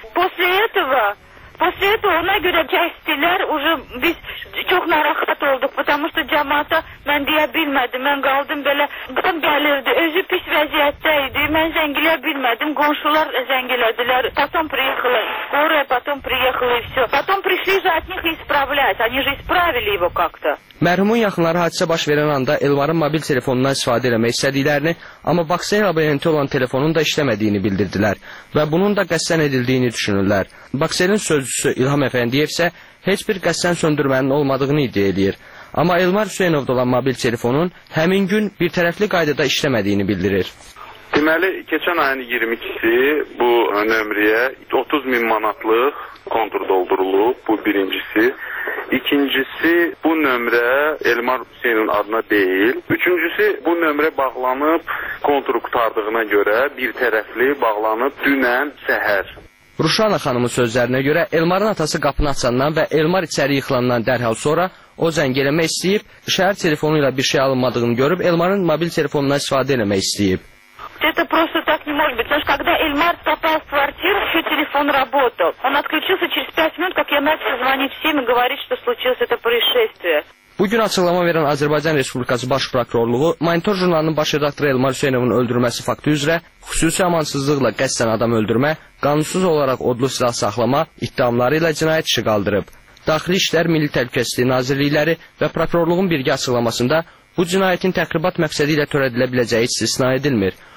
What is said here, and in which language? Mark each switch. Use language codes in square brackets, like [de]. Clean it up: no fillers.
[az] Posyetova, Posyetova ona görə kəsdilər, uzun biz çox narahat olduq, [ru] потому что [az] cəmata mən deyə bilmədim, mən qaldım belə, qadın gəlirdi, özü pis vəziyyətdə idi, mən zəng eləyə bilmədim, qonşular zəng elədilər, [ru] потом приехала, скорая, потом приехала и все. Потом пришли же от них исправлять, они же исправили его как-то. [az] Mərhumun yaxınları hadisə baş verən anda Elmarın mobil telefonundan istifadə eləmək istədiklərini, amma Baksayın abonenti olan telefonun da işləmədiyini bildirdilər və bunun da qəsdən edildiyini düşünürlər. Baksayın sözcüsü İlham Əfəndiyev isə heç bir qəsdən söndürmənin olmadığını iddia edir. Amma Elmar Hüseynovda olan mobil telefonun həmin gün bir tərəfli qaydada işləmədiyini bildirir. Deməli, keçən ayın 22-si bu nömrəyə 30 min manatlıq kontur doldurulub, bu birincisi. İkincisi, bu nömrə Elmar Hüseynin adına deyil. Üçüncüsü, bu nömrə bağlanıb kontur qutardığına görə bir tərəfli bağlanıb dünən səhər. Ruşana xanımın sözlərinə görə Elmarın atası qapını açandan və Elmar içəri yıxılandan dərhal sonra o zəng eləmək istəyib, şəhər telefonu ilə bir şey alınmadığını görüb Elmarın mobil telefonundan istifadə eləmək istəyib. [ru] Это просто так не может быть. Потому что когда Эльмар попал в квартиру, еще телефон работал. Он отключился через 5 минут, как я начал звонить всем и говорить, что случилось это происшествие. [az] Bugün açıqlama verən Azərbaycan Respublikası Baş Prokurorluğu, Monitor jurnalının baş redaktoru Elmar Hüseynovun öldürülməsi faktı üzrə xüsusi amansızlıqla qəsdən adam öldürmə, qanunsuz olaraq odlu silah saxlama iddiamları ilə cinayət işi qaldırıb. Daxili İşlər Milli Təhlükəsizliyi Nazirlikləri və prokurorluğun birgə açıqlamasında bu cinayətin təxribat məqsədi ilə törədilə biləcəyi istisna edilmir.